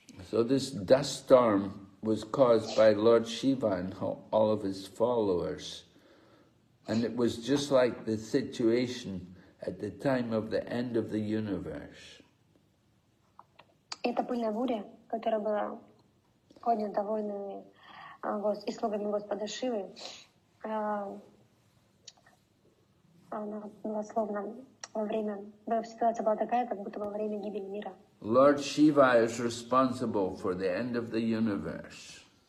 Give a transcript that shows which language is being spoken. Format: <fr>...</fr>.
<en>So this dust storm was caused by Lord Shiva and all of his followers. And it was just like the situation at the time of the end of the universe.</en> <ru>Это пыльная буря, которая была поднята воинами и слугами Господа Шивы, она была словно</ru> <en>Lord Shiva is responsible for the end of the universe.</en>